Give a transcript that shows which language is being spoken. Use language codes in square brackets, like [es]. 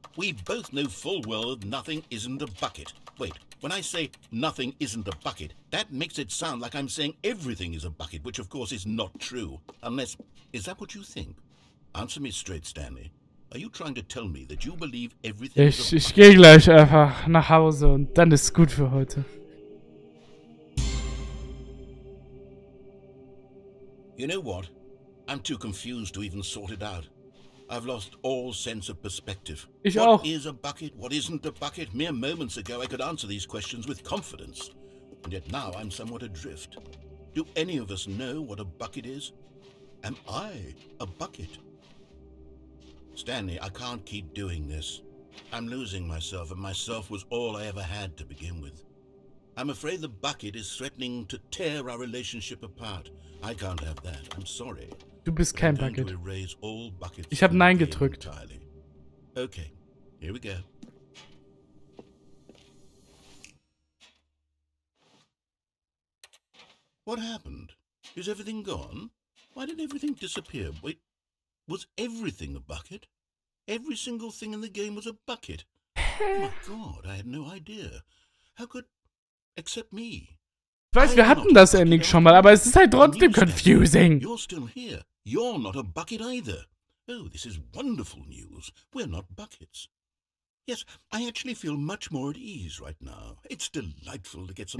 [en] We both know full well that nothing isn't a bucket. Wait, when I say nothing isn't a bucket, that makes it sound like I'm saying everything is a bucket, which of course is not true. Unless, is that what you think? Answer me straight, Stanley. Are you trying to tell me that you believe everything is a bucket? [de] Ich gehe gleich einfach nach Hause und dann ist gut für heute. [en] You know what? I'm too confused to even sort it out. I've lost all sense of perspective. [de] Ich [en] what [de] auch. [en] Is a bucket? What isn't a bucket? Mere moments ago, I could answer these questions with confidence. And yet now I'm somewhat adrift. Do any of us know what a bucket is? Am I a bucket? Stanley, I can't keep doing this. I'm losing myself, and myself was all I ever had to begin with. I'm afraid the bucket is threatening to tear our relationship apart. I can't have that. I'm sorry. [de] Du bist kein Bucket. Ich habe Nein gedrückt. [en] Okay, here we go. What happened? Is everything gone? Why didn't everything disappear? Wait, was everything a bucket? Every single thing in the game was a bucket. Oh my god, I had no idea. How could... except me. [de] Ich weiß, wir hatten das Ending schon mal, aber es ist halt trotzdem confusing. [en] You're still here. You're not a bucket either. Oh, this is wonderful news. We're not buckets. Yes, I actually feel much more at ease right now. It's delightful to get some...